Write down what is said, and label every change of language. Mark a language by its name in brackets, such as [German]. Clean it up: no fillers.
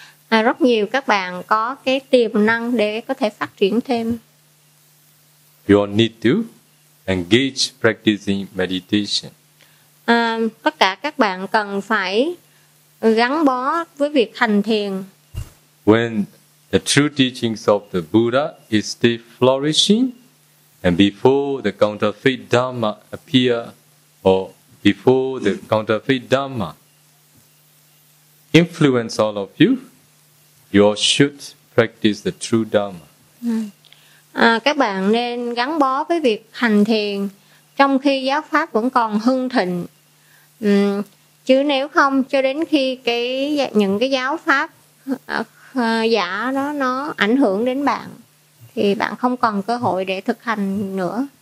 [Vietnamese] Rất nhiều các bạn có cái tiềm năng để có thể phát triển thêm. [English] You all need to engage practicing meditation. [Vietnamese] Tất cả các bạn cần phải gắn bó với việc hành thiền. [English] When the true teachings of the Buddha is still flourishing, and before the counterfeit Dharma appear, or before the counterfeit Dharma influence all of you, you all should practice the true Dharma. [Vietnamese] Các bạn nên gắn bó với việc hành thiền trong khi giáo pháp vẫn còn hưng thịnh. Chứ nếu không, cho đến khi những cái giáo pháp giả đó nó ảnh hưởng đến bạn thì bạn không còn cơ hội để thực hành nữa.